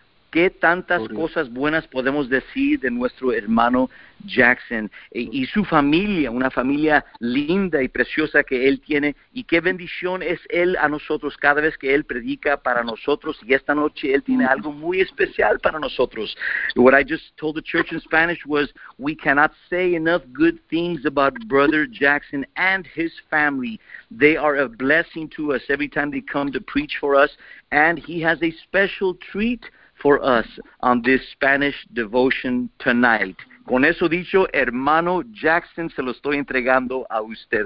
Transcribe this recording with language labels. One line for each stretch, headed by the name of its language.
Spanish: Qué tantas cosas buenas podemos decir de nuestro hermano Jackson y su familia, una familia linda y preciosa que él tiene. Y qué bendición es él a nosotros cada vez que él predica para nosotros. Y esta noche él tiene algo muy especial para nosotros.
English: What I just told the church in Spanish was, we cannot say enough good things about Brother Jackson and his family. They are a blessing to us every time they come to preach for us. And he has a special treat for us on this Spanish devotion tonight.
Spanish: Con eso dicho, hermano Jackson, se lo estoy entregando a usted.